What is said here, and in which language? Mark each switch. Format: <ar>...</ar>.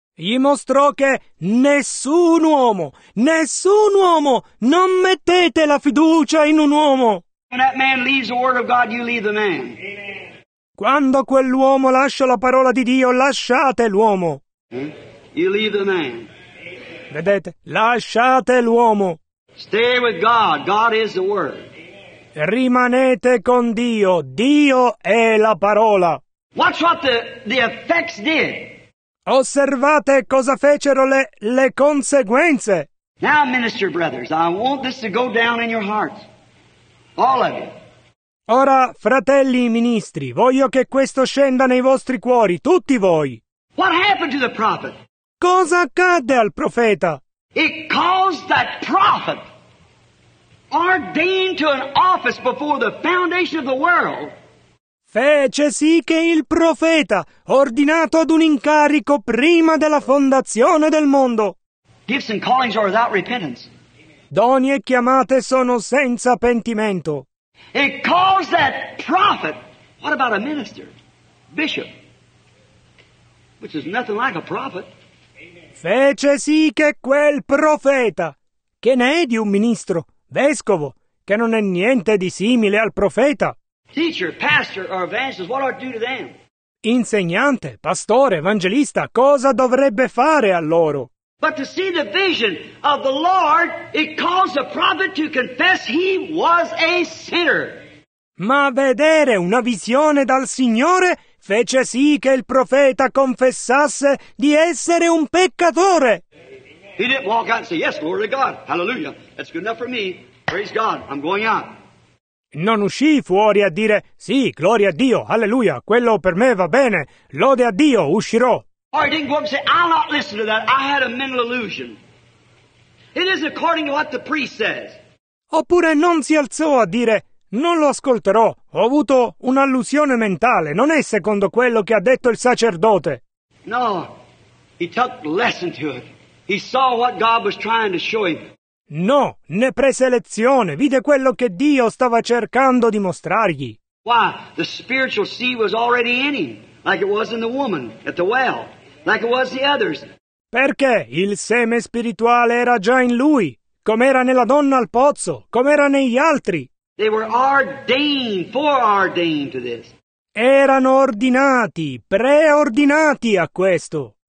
<it>Gli mostrò che nessun uomo, non mettete la fiducia in un uomo.</it> <en>When that man leaves the word of God, you leave the man. Amen.</en> <it>Quando quell'uomo lascia la parola di Dio, lasciate l'uomo.</it> <en>You leave the man.</en> <it>Vedete? Lasciate l'uomo.</it> <en>Stay with God. God is the word.</en> <it>Rimanete con Dio. Dio è la parola.</it> <en>Watch what the effects did.</en> <it>Osservate cosa fecero le conseguenze.</it> <en>Now, minister brothers, I want this to go down in your hearts. All of you.</en> <it>Ora, fratelli ministri, voglio che questo scenda nei vostri cuori, tutti voi.</it> <en>What happened to the prophet?</en> <it>Cosa accadde al profeta?</it> <en>It caused that prophet, ordained to an office before the foundation of the world.</en> <it>Fece sì che il profeta, ordinato ad un incarico prima della fondazione del mondo.</it> <en>Gifts and callings are without repentance.</en> <it>Doni e chiamate sono senza pentimento.</it> <en>It caused that prophet. What about a minister? Bishop. Which is nothing like a prophet.</en> <it>Fece sì che quel profeta, che ne è di un ministro, vescovo, che non è niente di simile al profeta.</it> <en>Teacher, pastor, or evangelist, what ought to do to them?</en> <it>Insegnante, pastore, evangelista, cosa dovrebbe fare a loro?</it> <en>But to see the vision of the Lord, it caused the prophet to confess he was a sinner.</en> <it>Ma vedere una visione dal Signore fece sì che il profeta confessasse di essere un peccatore.</it> <en>Amen. He didn't walk out and say, yes, glory to God, hallelujah, that's good enough for me, praise God, I'm going out.</en> <it>Non uscì fuori a dire, sì, gloria a Dio, alleluia, quello per me va bene, lode a Dio, uscirò.</it> <en>Or he didn't go up and say, I'll not listen to that, I had a mental illusion. It isn't according to what the priest says.</en> <it>Oppure non si alzò a dire, non lo ascolterò, ho avuto un'allusione mentale, non è secondo quello che ha detto il sacerdote.</it> <en>No, he took lesson to it. He saw what God was trying to show him.</en> <it>No, ne prese lezione, vide quello che Dio stava cercando di mostrargli.</it> <en>Why? The spiritual seed was already in him, like it was in the woman at the well, like it was the others.</en> <it>Perché il seme spirituale era già in lui, com'era nella donna al pozzo, com'era negli altri.</it> <en>They were ordained, foreordained to this.</en> <it>Erano ordinati, preordinati a questo.</it>